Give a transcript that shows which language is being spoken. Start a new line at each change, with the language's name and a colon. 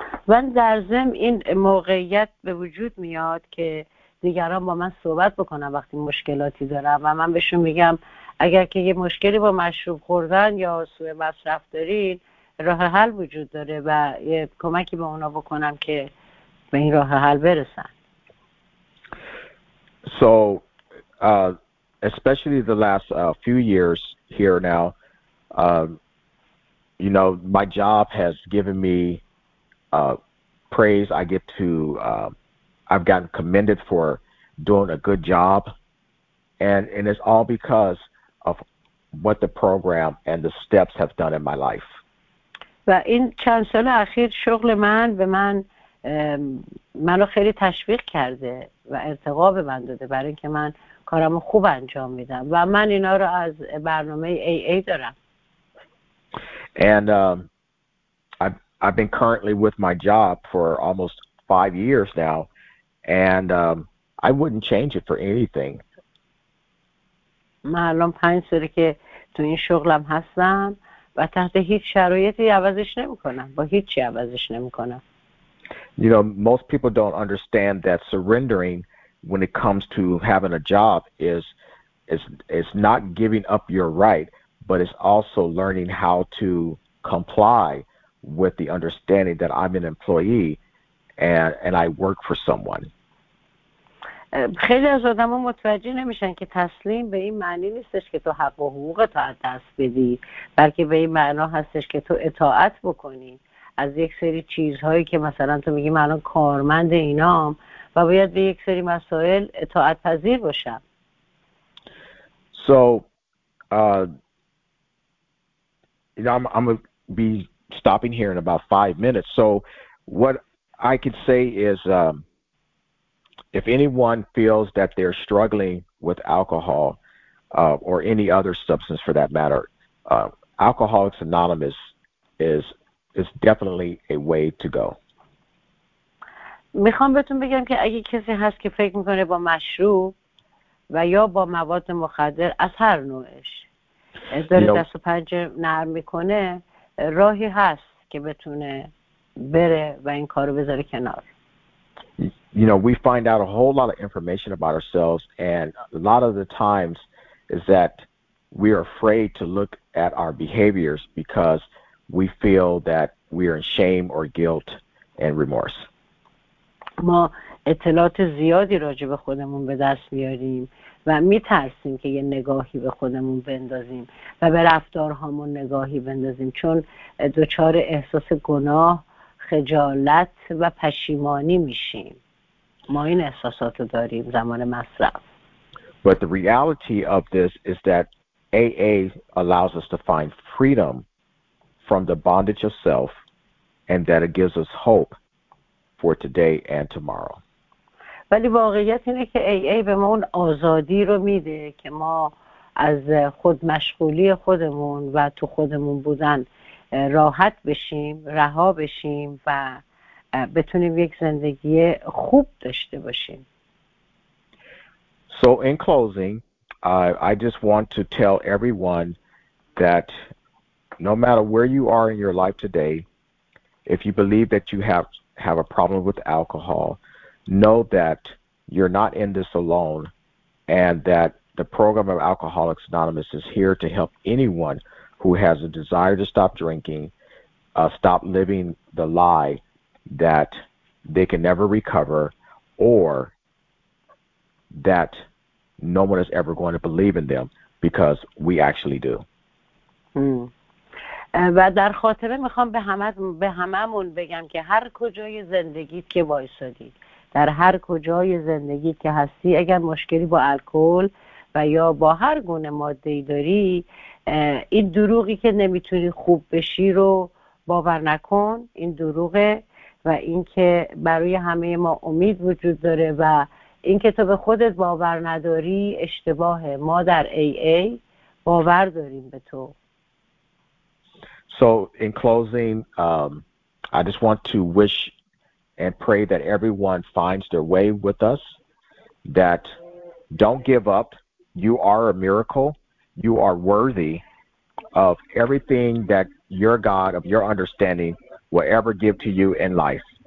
Persian: من در ضمن این موقعیت به وجود میاد که دیگران با من صحبت بکنن وقتی مشکلاتی دارم و من بهشون میگم اگر که یه مشکلی با مشروب خوردن یا سوء مصرف دارین، راه حل وجود داره و یه کمکی به اونا بکنم که به این راه حل برسن.
English: So, especially the last few years here now, you know, my job has given me praise. I get to, I've gotten commended for doing a good job, and it's all because of what the program and the steps have done in my life.
Persian: و این چند سال اخیر شغل من به من منو خیلی تشویق کرده و ارتقا به من داده برای اینکه من کارمو خوب انجام میدم و من اینا رو از برنامه AA دارم.
English: And I've been currently with my job for almost 5 years now, and I wouldn't change it for anything.
Persian: من الان 5 سالی که تو این شغلم هستم و تحت هیچ شرایطی عوضش نمیکنم. با هیچی عوضش نمیکنم.
English: You know, most people don't understand that surrendering when it comes to having a job is not giving up your right, but it's also learning how to comply with the understanding that I'm an employee and I work for someone.
Persian: خیلی از آدما متوجه نمیشن که تسلیم به این معنی نیستش که تو حق و حقوق تو از دست بدی، بلکه به این معنا هستش که تو اطاعت بکنی از یک سری چیزهایی که مثلا تو میگی من الان کارمند اینام و باید به یک سری مسائل اطاعت پذیر باشم.
English: So I'm going to be stopping here in about 5 minutes. So what I can say is if anyone feels that they're struggling with alcohol or any other substance for that matter, Alcoholics Anonymous is definitely a way to go.
Persian: میخوام بهتون بگم که اگه کسی هست که فکر میکنه با مشروب و یا با مواد مخدر از هر نوعش داره دست و پنجه نرم میکنه، راهی هست که بتونه بره و این کارو بذاره کنار.
English: you know, we find out a whole lot of information about ourselves, and a lot of the times is that we are afraid to look at our behaviors because we feel that we are in shame or guilt and remorse.
Persian: ما اطلاعات زیادی راجع به خودمون به دست میاریم و میترسیم که یه نگاهی به خودمون بندازیم و به رفتارهامون نگاهی بندازیم چون دچار احساس گناه، خجالت و پشیمانی میشیم. ما این احساسات رو داریم زمان مصرف.
English: But the reality of this is that AA allows us to find freedom from the bondage of self and that it gives us hope for today and tomorrow.
Persian: ولی واقعیت اینه که AA به ما اون آزادی رو میده که ما از خود مشغولی خودمون و تو خودمون بودن راحت بشیم، رها بشیم و بتونیم یک زندگی خوب داشته باشیم.
English: So in closing, I just want to tell everyone that no matter where you are in your life today, if you believe that you have a problem with alcohol, know that you're not in this alone and that the program of Alcoholics Anonymous is here to help anyone who has a desire to stop drinking, stop living the lie that they can never recover or that no one is ever going to believe in them because we actually do.
Persian: و در خاطره میخوام به هممون بگم که هر کجای زندگیت که وایسادی، در هر کجای زندگیت که هستی، اگر مشکلی با الکل و یا با هر گونه ماده‌ای داری، این دروغی که نمیتونی خوب بشی رو باور نکن. این دروغه و اینکه برای همه ما امید وجود داره و اینکه تو به خودت باور نداری اشتباهه. ما در AA باور داریم به تو.
English: So in closing, I just want to wish and pray that everyone finds their way with us, that don't give up. You are a miracle. You are worthy of everything that your God, of your understanding, will ever give to you in life.